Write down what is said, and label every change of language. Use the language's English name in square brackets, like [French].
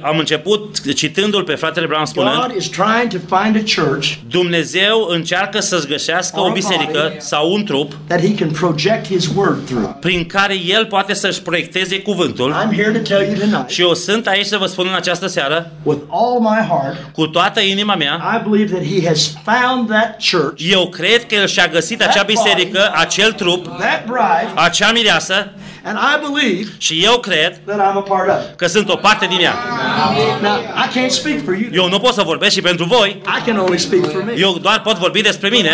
[Romanian] Am început citându-l pe fratele Branham spunând. [English] God is trying to find a church. [Romanian] Dumnezeu încearcă să-și găsească o biserică sau un trup [English] that he can project his word through. [Romanian] Prin care el poate să-și proiecteze cuvântul. [English] I'm here to tell you tonight. [Romanian] Și eu sunt aici să vă spun în această seară. [English] With all my heart. [Romanian] Cu toată inima mea. [English] I believe that he has found that church. [Romanian] Eu cred că el și-a găsit acea biserică, acel trup, [English] that bride, [Romanian] acea mireasă. [English] And I believe [Romanian] și eu cred [English] that I'm a part of. [Romanian] Că sunt o parte din ea. [English] Now, I can't speak for you. [Romanian] Eu nu pot să vorbesc și pentru voi. [English] I can only speak for me. [Romanian] Eu doar pot vorbi despre mine.